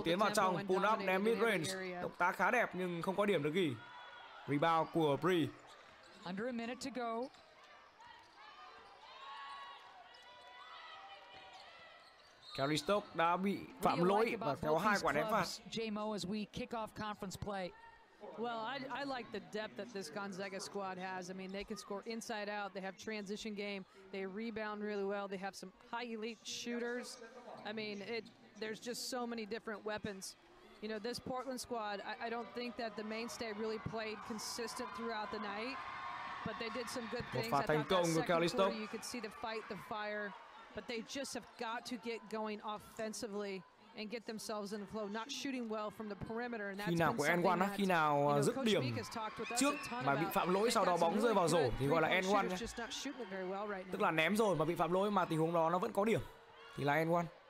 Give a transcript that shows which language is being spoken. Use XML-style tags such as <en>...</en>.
<vi>tiến vào trong, pull up ném mid range, động tác khá đẹp nhưng không có điểm được ghi. Rebound của Bree.</vi> <en>Under a minute to go.</en> <vi>Kelly Stoke đã bị phạm lỗi và kéo hai quả ném phạt.</vi> <en>J-Mo, as we kick off conference play. Well, I like the depth that this Gonzaga squad has. I mean, they can score inside out. They have transition game. They rebound really well. They have some high elite shooters. I mean, there's just so many different weapons. You know, this Portland squad, I don't think that the mainstay really played consistent throughout the night, but they did some good things.</en> <vi>Một pha thành công của Kelly Stoke.</vi> <en>You could see the fight, the fire. But they just have got to get going offensively and get themselves in the flow, not shooting well from the perimeter. And that's been something that,</en> <vi>khi nào dứt điểm trước mà bị phạm lỗi, sau đó bóng rơi vào rổ thì gọi là N1. Tức là ném rồi mà bị phạm lỗi mà tình huống đó nó vẫn có điểm thì là N1.</vi>